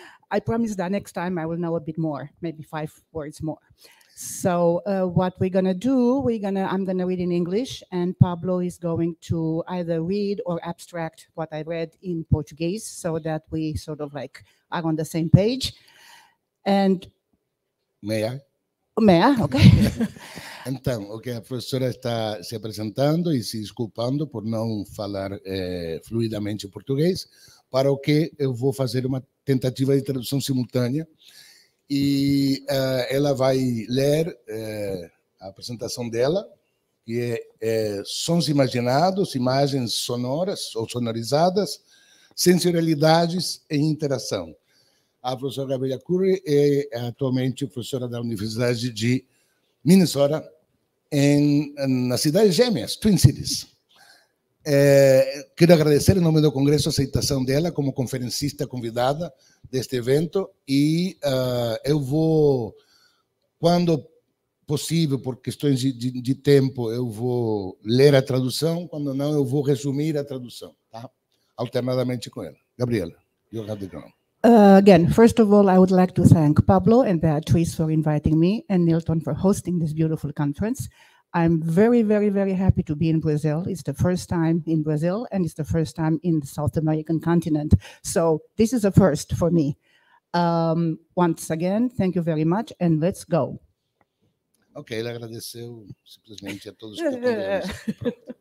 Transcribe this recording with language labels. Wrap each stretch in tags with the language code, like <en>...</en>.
<en>I promise that next time I will know a bit more, maybe 5 words more. So what we're going to do, I'm going to read in English, and Pablo is going to either read or abstract what I read in Portuguese so that we sort of like are on the same page. And may I? May I? Okay.</en> <pt>Então, o que a professora está se apresentando e se desculpando por não falar fluidamente português, para o que eu vou fazer uma tentativa de tradução simultânea. E ela vai ler a apresentação dela, que é sons imaginados, imagens sonoras ou sonorizadas, sensorialidades e interação. A professora Gabriela Currie é atualmente professora da Universidade de Minnesota, na cidade de Gêmeas, Twin Cities. Quero agradecer em nome do Congresso a aceitação dela como conferencista convidada deste evento e eu vou, quando possível, por questões de tempo, eu vou ler a tradução, quando não, eu vou resumir a tradução, tá? Alternadamente com ela.</pt> <en>Gabriela, you have the ground. Again, first of all, I would like to thank Pablo and Beatriz for inviting me and Nilton for hosting this beautiful conference. I'm very, very, very happy to be in Brazil. It's the first time in Brazil, and it's the first time in the South American continent. So this is a first for me. Once again, thank you very much, and let's go.</en> <pt>Ok, ele agradeceu simplesmente a todos que estão aqui.</pt>